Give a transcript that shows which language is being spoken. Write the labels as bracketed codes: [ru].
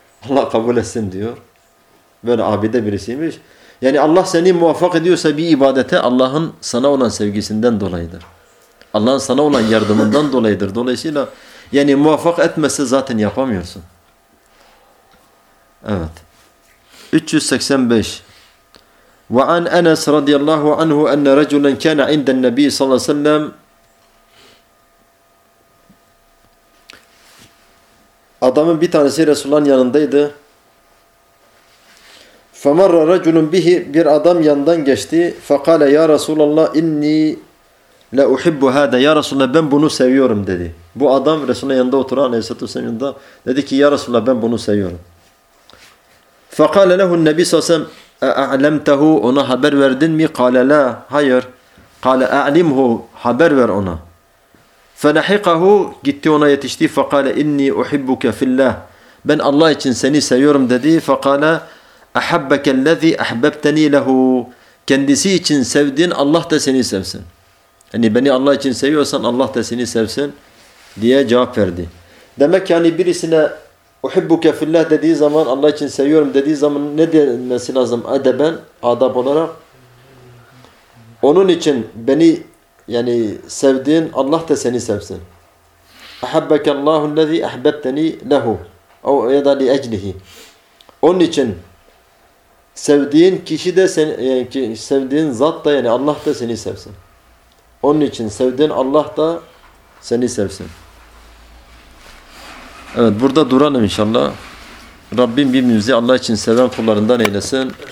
[tr] Allah kabul etsin diyor. Böyle abide birisiymiş. Yani Allah seni muvaffak ediyorsa bir ibadete Allah'ın sana olan sevgisinden dolayıdır. Allah'ın sana olan yardımından dolayıdır. Dolayısıyla yani muvaffak etmezse zaten yapamıyorsun. Evet. 385. [ar] وعن أنس رضي الله عنه أن رجلا كان عند النبي صلى الله عليه وسلم [tr] adamın bir tanesi Resulullah'ın yanındaydı. [ar] فمر رجل به [tr] bir adam yandan geçti. [ar] فقال يا رسول الله إني لا أحب هذا. يا رسول الله [tr] ben bunu seviyorum dedi. Bu adam Resulullah'ın yanında oturan Aleyhisselatü Vesselam yanında dedi ki ya Resulullah ben bunu seviyorum. [ar] فقال له النبي صلى الله عليه وسلم أعلمته [tr] ona haber verdin mi? [ar] قال لا hayır. قال أعلمه [tr] haber ver ona. فلحقه gitti ona yetişti. [ar] فقال إني أحبك في الله [tr] ben Allah için seni seviyorum dedi. [ar] فقال أحبك الذي أحببتني له [tr] kendisi için sevdin Allah da seni sevsin. Yani beni Allah için seviyorsan Allah da seni sevsin diye cevap verdi. Demek yani birisine [ar] أحبك في الله [tr] dediği zaman Allah için seviyorum dediği zaman ne demesi lazım edeben, adab olarak? Onun için beni yani sevdiğin Allah da seni sevsin. [ar] أحبك الله الذي أحببتني له أو يا ذا لأجله. [tr] Onun için sevdiğin kişi de seni yani sevdiğin zat da yani Allah da seni sevsin. Onun için sevdiğin Allah da seni sevsin. Evet, burada duralım inşallah. Rabbim birbirimizi Allah için seven kullarından eylesin.